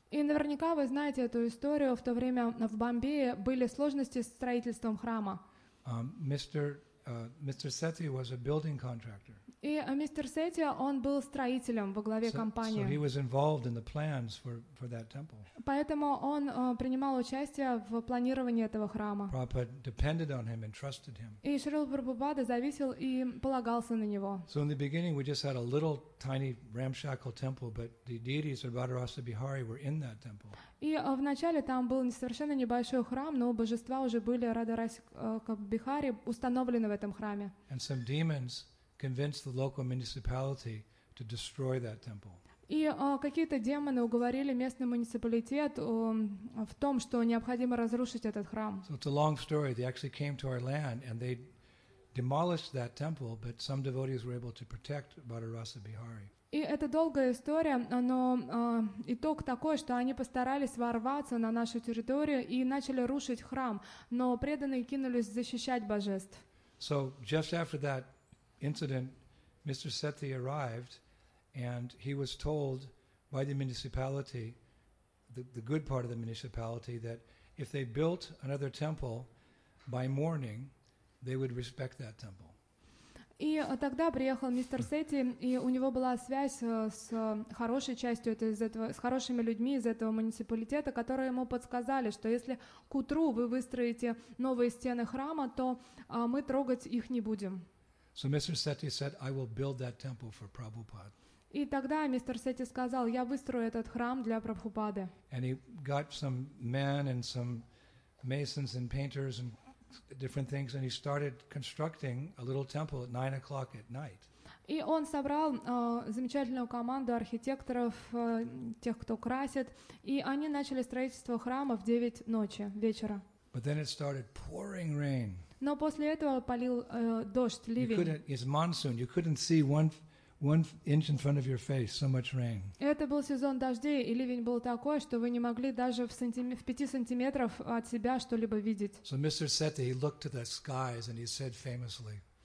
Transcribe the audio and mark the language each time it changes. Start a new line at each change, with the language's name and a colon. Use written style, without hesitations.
Russian: И наверняка вы знаете эту историю. В то время в Бомбее были сложности с строительством храма.
English: Mr. Sethi was a building contractor.
Russian: И мистер Сети, он был строителем во главе компании.
English: So he was involved in the plans for that temple.
Russian: Поэтому он принимал участие в планировании этого храма.
English: Prabhupada depended on him and trusted him.
Russian: И Шрила Прабхупада зависел и полагался на него.
English: So in the beginning we just had a little tiny ramshackle temple, but the deities of Radharasa Bihari were in that temple.
Russian: И вначале там был совершенно небольшой храм, но божества уже были Радхараса Бихари установлены в этом храме.
English: And some demons convinced the local municipality to destroy that temple.
Russian: И какие-то демоны уговорили местный муниципалитет в том, что необходимо разрушить этот храм.
English: So it's a long story. They actually came to our land and they demolished that temple, but some devotees were able to protect Radharasa Bihari.
Russian: И это долгая история, но итог такой, что они постарались ворваться на нашу территорию и начали рушить храм, но преданные кинулись защищать божеств.
English: So just after that incident, Mr. Sethi arrived, and he was told by the municipality, the good part of the municipality, that if they built another temple by morning, they would respect that temple.
Russian: И тогда приехал мистер Сети, и у него была связь с хорошей частью с хорошими людьми из этого муниципалитета, которые ему подсказали, что если к утру вы выстроите новые стены храма, то мы трогать их не будем.
English: So Mr. Sethi said, "I will build that temple for Prabhupada."
Russian: И тогда мистер Сети сказал, "Я выстрою этот храм для Прабхупады."
English: And he got some men and some masons and painters and different things, and he started constructing a little temple at 9 o'clock at night.
Russian: И он собрал замечательную команду архитекторов, тех, кто красит, и они начали строительство храма в 9 ночи вечера.
English: But then it started pouring rain.
Russian: Но после этого полил дождь, ливень.
English: It's monsoon. You couldn't see one inch in front of your face. So much rain.
Russian: Это был сезон дождей, и ливень был такой, что вы не могли даже в 5 сантиметров от себя что-либо видеть.
English: So Mr. Sethi, he looked to the skies and he said famously.